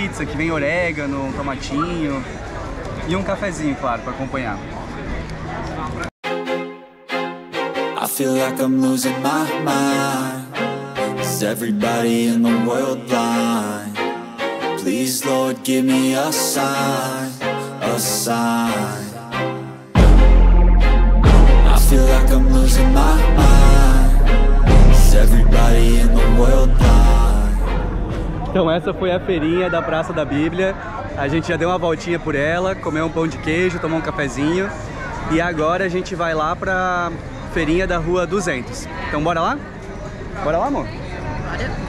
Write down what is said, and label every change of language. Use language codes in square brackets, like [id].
[pt] Que vem orégano, um tomatinho e um cafezinho, claro, para acompanhar. [en] I feel like I'm losing my mind. Is everybody in the world blind? Please, Lord, give me a sign, a sign. I feel like I'm losing my mind. Is everybody in the world blind? [pt] Então essa foi a feirinha da Praça da Bíblia. A gente já deu uma voltinha por ela, comeu um pão de queijo, tomou um cafezinho. E agora a gente vai lá pra feirinha da Rua 200. Então bora lá? Bora lá, amor? Bora.